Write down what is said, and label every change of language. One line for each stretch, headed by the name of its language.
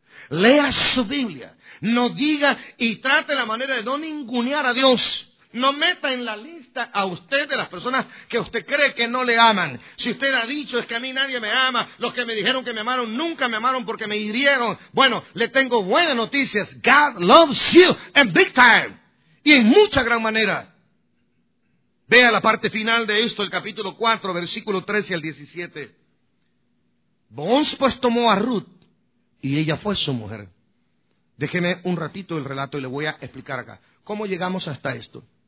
Spanish: Lea su Biblia. No diga y trate la manera de no ningunear a Dios. No meta en la lista a usted de las personas que usted cree que no le aman. Si usted ha dicho, es que a mí nadie me ama. Los que me dijeron que me amaron nunca me amaron porque me hirieron. Bueno, le tengo buenas noticias.
English: God loves you and big time.
Spanish: Y en mucha gran manera. Vea la parte final de esto, el capítulo 4, versículo 13 al 17. Boaz pues tomó a Ruth y ella fue su mujer. Déjeme un ratito el relato y le voy a explicar acá. ¿Cómo llegamos hasta esto?